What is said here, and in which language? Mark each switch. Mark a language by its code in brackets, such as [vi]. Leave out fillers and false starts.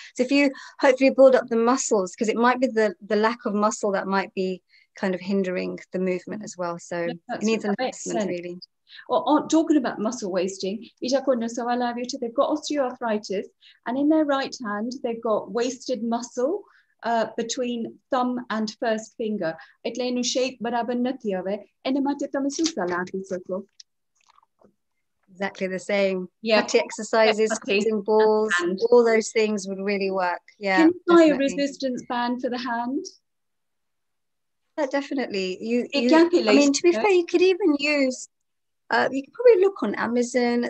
[en] So if you hopefully build up the muscles, because it might be the lack of muscle that might be kind of hindering the movement as well. So it needs an assessment really. Well, talking about muscle wasting, they've got osteoarthritis and in their right hand, they've got wasted muscle. Between thumb and first finger. [gu] એટલે એનું shape બરાબર નથી હવે એના માટે તમે શું સલાહ આપી શકો? [en] Exactly the same. Yeah. Putty exercises, squeezing balls, all those things would really work. Yeah. Can you buy a resistance band for the hand? Yeah, definitely. To be fair, you could even use you can probably look on Amazon.